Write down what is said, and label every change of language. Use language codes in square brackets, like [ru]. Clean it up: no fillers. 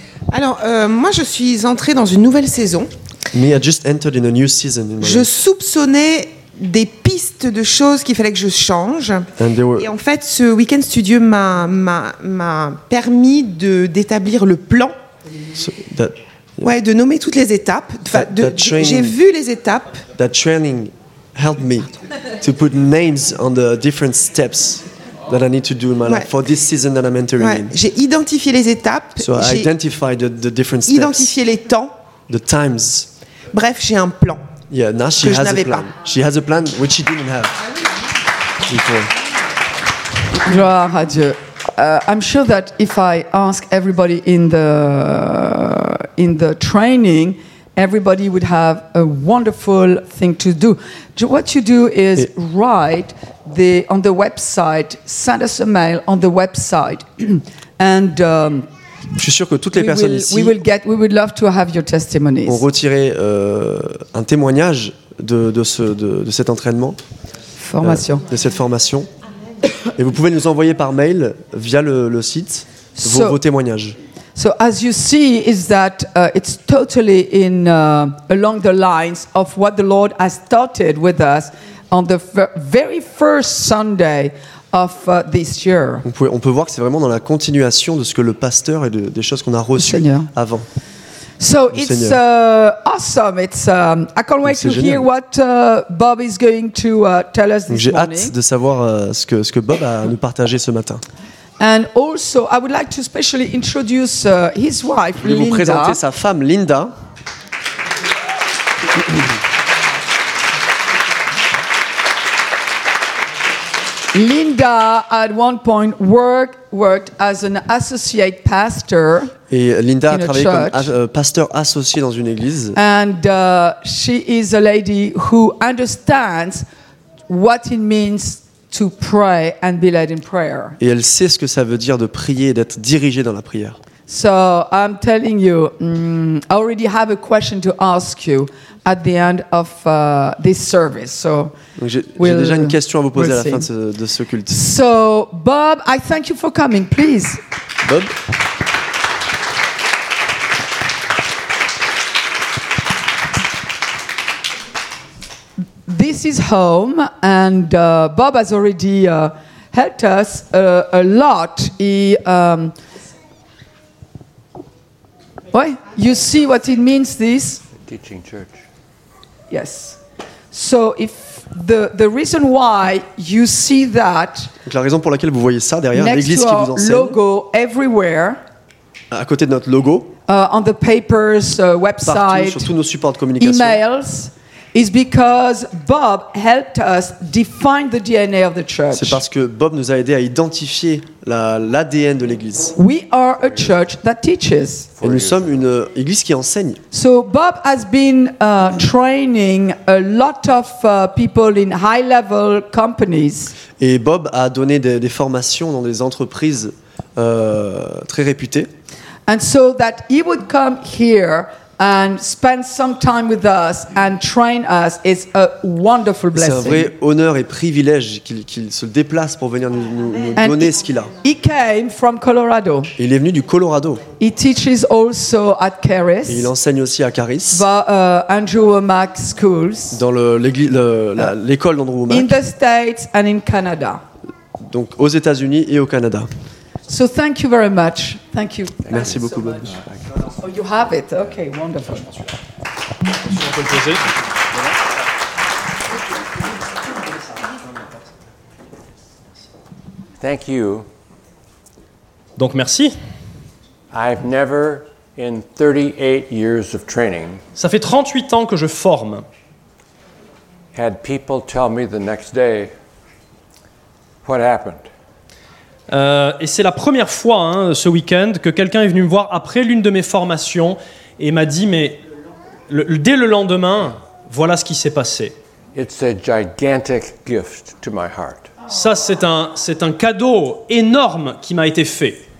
[fr] Alors, moi, je suis entrée dans une nouvelle saison. [en] Me, I just entered in a new season. [fr] Je soupçonnais des pistes de choses qu'il fallait que je change. Et en fait, ce week-end studio m'a permis d'établir le plan. Ouais, de nommer toutes les étapes. J'ai vu les étapes. [en] That training helped me to put names on the different steps that I need to do in my life for this season that I'm entering in. [fr] J'ai identifié les étapes. [en] So I identified the different steps. [fr] Identifié les temps. [en] The times. [fr] Bref, j'ai un plan. [en] Yeah, now she has a plan. She has a plan which she didn't have before. [fr] Gloire à Dieu. [en] I'm sure that if I ask everybody in the training, everybody would have a wonderful thing to do. What you do is write on the website, send us a mail on the website, and [fr] je suis sûr que toutes les personnes ici, [en] we would love to have your testimonies. [fr] Ont retiré un témoignage de cet entraînement, formation, de cette formation. Et vous pouvez nous envoyer par mail via le site vos témoignages. [en] So as you see, is that it's totally in along the lines of what the Lord has started with us on the very first Sunday of this year. [fr] On peut voir que c'est vraiment dans la continuation de ce que le pasteur et des choses qu'on a reçues avant. [en] So it's awesome. It's I can't wait to [fr] génial. [en] Hear what Bob is going to tell us this morning. [fr] J'ai hâte de savoir ce que Bob a nous partager ce matin. [en] And also, I would like to specially introduce his wife, Linda. [fr] Je vais vous présenter sa femme, Linda. [en] Linda, at one point, worked as an associate pastor. [fr] Et Linda a travaillé comme pasteur associé dans une église. [en] And she is a lady who understands what it means to pray and be led in prayer. [fr] Et elle sait ce que ça veut dire de prier et d'être dirigée dans la prière. [en] So I'm telling you, I already have a question to ask you at the end of this service. So [fr] j'ai déjà une question à vous poser à la fin de ce culte. [en] So Bob, I thank you for coming, please. Bob. This is home, and Bob has already helped us a lot. He [fr] Ouais. [en] You see what it means, this? Teaching church. Yes. So if the reason why you see that. [fr] Donc la raison pour laquelle vous voyez ça derrière l'église qui vous enseigne. [en] Next to our logo everywhere. [fr] À côté de notre logo. [en] On the papers, website. [fr] Partout, sur tous nos supports de communication. [en] Emails. Is because Bob helped us define the DNA of the church. [fr] C'est parce que Bob nous a aidé à identifier l'ADN de l'église. [en] We are a church that teaches. [fr] Et nous sommes une église qui enseigne. [en] So Bob has been training a lot of people in high level companies. [fr] Et Bob a donné des formations dans des entreprises très réputées. [en] And so that he would come here and spend some time with us and train us is a wonderful blessing. [fr] C'est un vrai honneur et privilège qu'il se déplace pour venir nous donner ce qu'il a. [en] He came from Colorado. [fr] Il est venu du Colorado. [en] He teaches also at Caris. [fr] Il enseigne aussi à Caris. [en] Andrew Womack Schools. [fr] Dans l'école d'Andrew Womack. [en] In the States and in Canada. [fr] Donc aux États-Unis et au Canada. [en] So thank you very much. Thank you. [fr] Merci beaucoup. [en] So much. Oh, you have it. Okay, wonderful. [fr] On peut le poser. [en] Thank you. [fr] Donc merci. [en] I've never in 38 years of training. [fr] Ça fait 38 ans que je forme. [en] Had people tell me the next day what happened. [fr] Et c'est la première fois ce week-end que quelqu'un est venu me voir après l'une de mes formations et m'a dit, mais dès le lendemain, voilà ce qui s'est passé. [en] It's a gigantic gift to my heart. [fr] Ça, c'est un cadeau énorme qui m'a été fait.